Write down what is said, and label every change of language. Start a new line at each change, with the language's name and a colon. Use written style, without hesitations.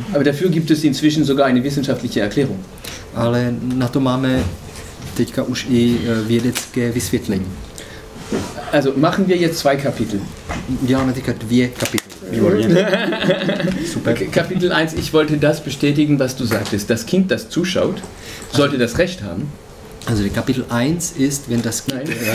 Czech: Ale
German: dafür gibt es inzwischen sogar eine wissenschaftliche Erklärung.
Czech: Ale na to máme teďka už i vědecké vysvětlení.
German: Also machen wir jetzt 2 Kapitel.
Czech: Děláme teďka 2 Kapitel. Super.
German: Okay, Kapitel 1, ich wollte das bestätigen, was du sagtest. Das Kind, das zuschaut, sollte das Recht haben. Also Kapitel 1 ist, wenn das Kind...